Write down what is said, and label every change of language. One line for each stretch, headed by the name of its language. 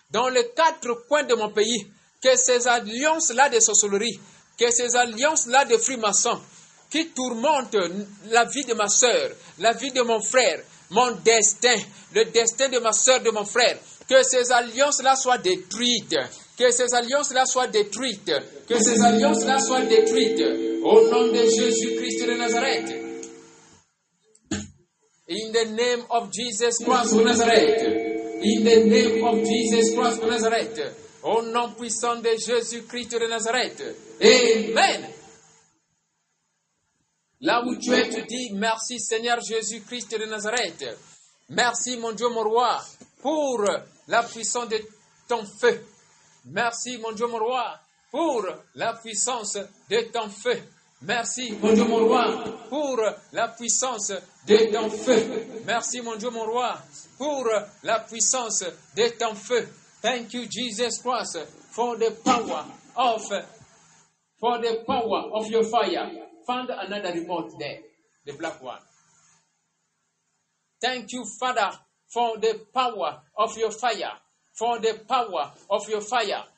French: Dans les quatre coins de mon pays, que ces alliances-là de sorcellerie, que ces alliances-là de francs-maçons, qui tourmentent la vie de ma sœur, la vie de mon frère, mon destin, le destin de ma sœur, de mon frère, que ces alliances-là soient détruites, que ces alliances-là soient détruites, que ces alliances-là soient détruites, au nom de Jésus-Christ de Nazareth.
English: In the name of Jesus Christ of Nazareth. In the name of Jesus Christ of Nazareth.
French: Au nom puissant de Jésus-Christ de Nazareth. Amen. Là où tu es, tu dis merci Seigneur Jésus-Christ de Nazareth. Merci mon Dieu, mon roi, pour la puissance de ton feu. Merci mon Dieu, mon roi, pour la puissance de ton feu. Merci mon Dieu, mon roi, pour la puissance de ton feu. Merci mon Dieu, mon roi, pour la puissance de ton feu.
English: Thank you Jesus Christ for the power of your fire. Find another remote there, the black one. Thank you Father for the power of your fire, for the power of your fire.